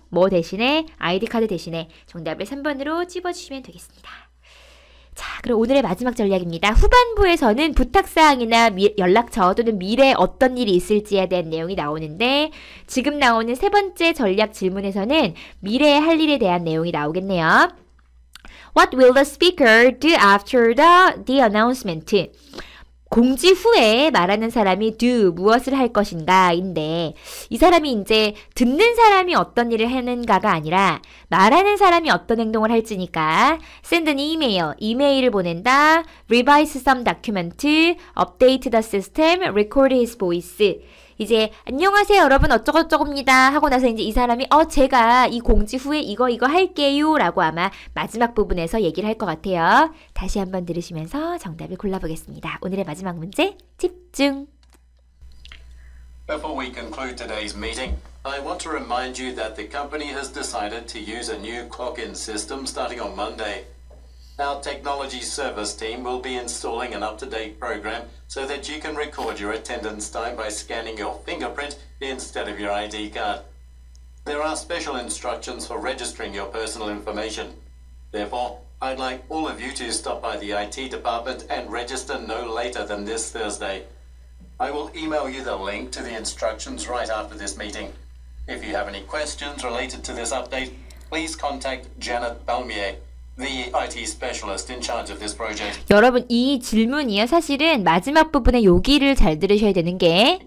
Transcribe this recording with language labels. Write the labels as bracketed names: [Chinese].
[Korean] 뭐 대신에 아이디 카드 대신에 정답을 3번으로 찝어주시면 되겠습니다. 자, 그럼 오늘의 마지막 전략입니다. 후반부에서는 부탁사항이나 연락처 또는 미래 어떤 일이 있을지에 대한 내용이 나오는데 지금 나오는 세 번째 전략 질문에서는 미래에 할 일에 대한 내용이 나오겠네요. [English] What will the speaker do after the announcement? [Korean] 공지 후에 말하는 사람이 do, 무엇을 할 것인가인데 이 사람이 이제 듣는 사람이 어떤 일을 하는가가 아니라 말하는 사람이 어떤 행동을 할지니까 [English] send an email, [Korean] 이메일을 보낸다, [English] revise some document, update the system, record his voice. [Korean] 이제 안녕하세요 여러분 어쩌고저쩌고입니다 하고 나서 이제 이 사람이 제가 이 공지 후에 이거 할게요 라고 아마 마지막 부분에서 얘기를 할 것 같아요. 다시 한번 들으시면서 정답을 골라보겠습니다. 오늘의 마지막 문제 집중! [English] Before we conclude today's meeting, I want to remind you that the company has decided to use a new clock-in system starting on Monday. Our technology service team will be installing an up-to-date program so that you can record your attendance time by scanning your fingerprint instead of your ID card. There are special instructions for registering your personal information. Therefore, I'd like all of you to stop by the IT department and register no later than this Thursday. I will email you the link to the instructions right after this meeting. If you have any questions related to this update, please contact Janet Balmier. The IT specialist in charge of this project. [Korean] 여러분 이 질문이요 사실은 마지막 부분에 여기를 잘 들으셔야 되는 게